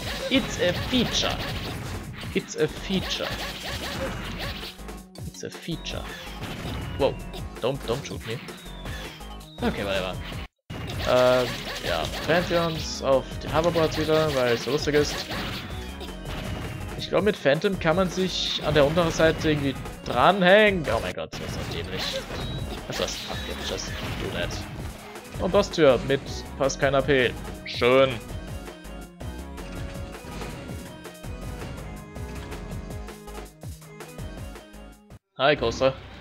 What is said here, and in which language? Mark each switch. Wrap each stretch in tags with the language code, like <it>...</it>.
<en>It's a feature. It's a feature. It's a feature. Wow. Don't shoot me. Okay, whatever.</en> <de>Ja, Pantheons auf den Hoverboards wieder, weil es so lustig ist. Ich glaube, mit Phantom kann man sich an der unteren Seite irgendwie dranhängen. Oh mein Gott, das ist doch dämlich. Also, das</de> <en>fucking just do that.</en> <de>Und Boss-Tür mit fast kein AP. Schön. Hi, Großer.</de>